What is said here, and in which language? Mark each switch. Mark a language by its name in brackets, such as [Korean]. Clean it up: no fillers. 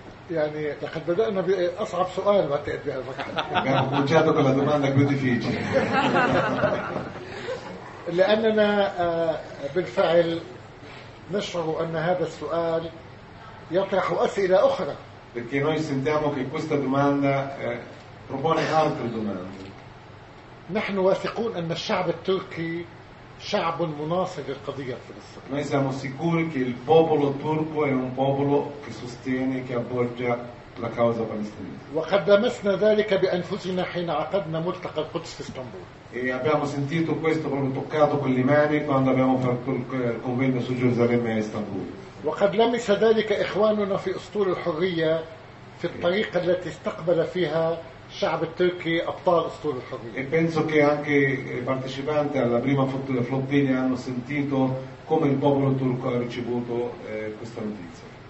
[Arabic] يعني لقد بدأنا بأصعب سؤال بعتقد وجهتك على دماغنا كبدي فيجي لأننا بالفعل نشعر أن هذا السؤال يطرح أسئلة أخرى [Italian] perché noi sentiamo che questa domanda propone altre domande. [Arabic] نحن واثقون ان الشعب التركي شعب مناصر للقضية الفلسطينية. [Italian] Noi siamo sicuri che il popolo turco è un popolo che sostiene, che appoggia la causa palestinese. [Arabic] وقدمنا ذلك بانفسنا حين عقدنا ملتقى القدس في اسطنبول. [Italian] E abbiamo sentito questo, proprio toccato con le mani quando abbiamo fatto il convegno su Gerusalemme e Istanbul. [Arabic] وقد لمس ذلك اخواننا في اسطول الحرية في الطريقة التي استقبل فيها شعب التركي أبطال أسطول الحرية. [Italian] E penso che anche i partecipanti alla prima flottiglia hanno sentito come il popolo turco ha ricevuto questa notizia.